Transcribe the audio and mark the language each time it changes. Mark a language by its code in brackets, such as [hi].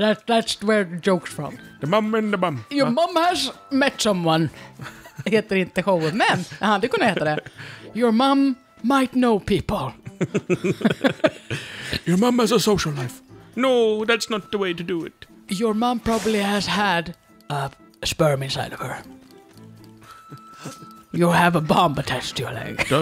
[en] That's where the joke's from. The mom and the mom. Your mom has met someone. [sv] Heter inte showen, men han kunde heta det. [en] Your mom might know people. Your mom has a social life. No, that's not the way to do it. Your mom probably has had a sperm inside of her. You have a bomb attached to your leg.